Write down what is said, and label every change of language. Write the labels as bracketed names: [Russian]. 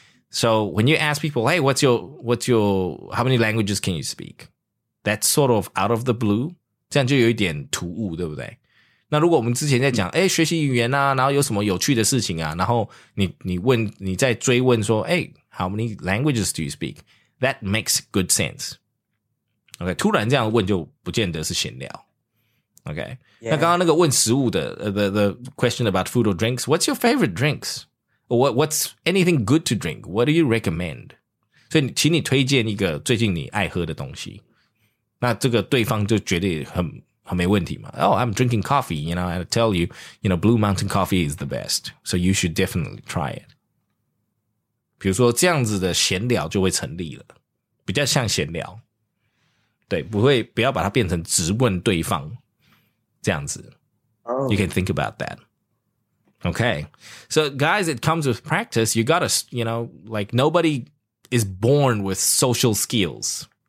[English] So, when you ask people, hey, what's your, how many languages can you speak? That's sort of out of the blue. [Chinese] 这样就有一点突兀，对不对？那如果我们之前在讲，学习语言啊，然后有什么有趣的事情啊，然后你再追问说， [English] how many languages do you speak? That makes good sense. [Chinese] OK, 突然这样问就不见得是闲聊。 [English] OK,、yeah. [Chinese] 那刚刚那个问食物的 [English] the question about food or drinks, what's your favorite drinks? Or what's anything good to drink? What do you recommend? [Chinese] 所以请你推荐一个最近你爱喝的东西。那这个对方就觉得很没问题嘛。 [English] Oh, I'm drinking coffee, you know, I tell you, you know, Blue Mountain coffee is the best, so you should definitely try it. [Chinese] 比如说这样子的闲聊就会成立了，比较像闲聊。对，不会，不要把它变成直问对方，这样子。 [English] You can think about that. Okay. So guys, it comes with practice. You gotta, you know, like nobody is born with social skills.